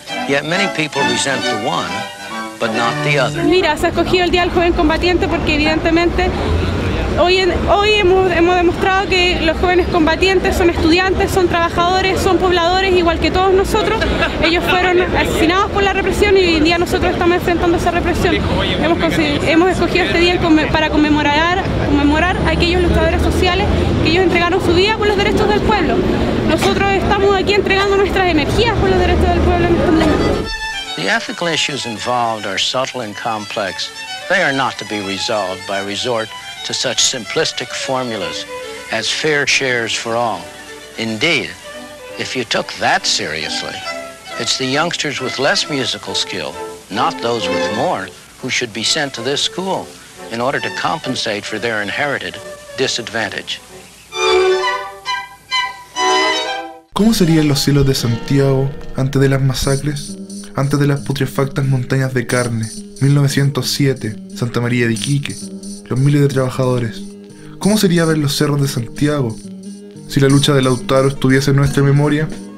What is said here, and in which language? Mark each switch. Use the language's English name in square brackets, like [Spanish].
[English] Yet many people resent the one, but not the other. [Spanish] Mira, se ha escogido el Día del Joven Combatiente porque evidentemente hoy hemos demostrado que los jóvenes combatientes son estudiantes, son trabajadores, son pobladores, igual que todos nosotros. Ellos fueron asesinados por la represión y hoy en día nosotros estamos enfrentando esa represión. Hemos escogido este día para conmemorar a aquellos luchadores sociales que ellos entregaron su vida por los derechos del pueblo. Nosotros estamos aquí entregando nuestras energías por los derechos del pueblo en este momento. [English] The ethical issues involved are subtle and complex. They are not to be resolved by resort to such simplistic formulas as fair shares for all. Indeed, if you took that seriously, it's the youngsters with less musical skill, not those with more, who should be sent to this school in order to compensate for their inherited disadvantage. [Spanish] ¿Cómo serían los cielos de Santiago antes de las masacres? Antes de las putrefactas montañas de carne, 1907, Santa María de Iquique, los miles de trabajadores. ¿Cómo sería ver los cerros de Santiago si la lucha de Lautaro estuviese en nuestra memoria?